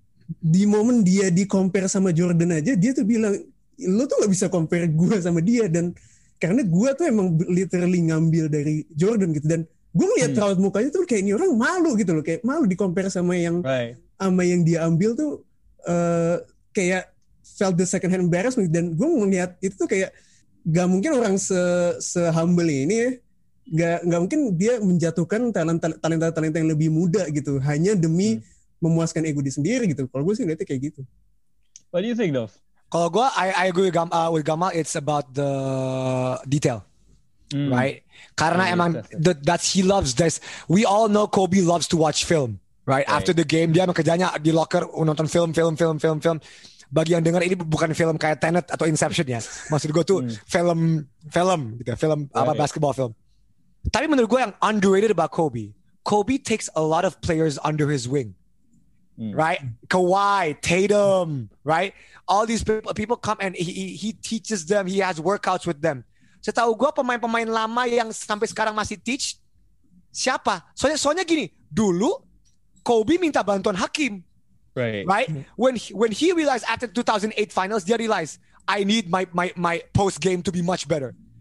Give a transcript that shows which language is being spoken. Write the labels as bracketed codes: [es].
[id] Di momen dia di compare sama Jordan aja, dia tuh bilang, lo tuh gak bisa compare gue sama dia, dan karena gue tuh emang literally ngambil dari Jordan gitu. Dan gue ngeliat raut mukanya tuh kayak ini orang malu gitu loh. Kayak malu di-compare sama yang sama yang dia ambil tuh. Kayak [en] felt the second hand embarrassment. [id] Dan gue ngeliat itu tuh kayak gak mungkin orang se-humble ini ya. Gak mungkin dia menjatuhkan talenta-talenta yang lebih muda gitu. Hanya demi memuaskan ego dia sendiri gitu. Kalau gue sih ngeliatnya kayak gitu. [en] What do you think, Dov? [id] Kalau gue, [en] I agree with Gamal. It's about the detail, right? [id] Karena emang [en] that he loves this. We all know Kobe loves to watch film, right? After the game, [id] dia kerjanya di locker nonton film. Bagi yang dengar ini bukan film kayak Tenet atau Inception ya. Maksud gue tuh film gitu, film apa basketball film. Tapi menurut gue yang [en] underrated about Kobe, Kobe takes a lot of players under his wing. Right, Kawhi, Tatum, right? All these people come and he teaches them. He has workouts with them. [id] Setahu gue pemain-pemain lama yang sampai sekarang masih teach siapa? Soalnya gini, dulu Kobe minta bantuan Hakim, [en] right? When he realized after 2008 finals, [id] dia [en] realized I need my post game to be much better.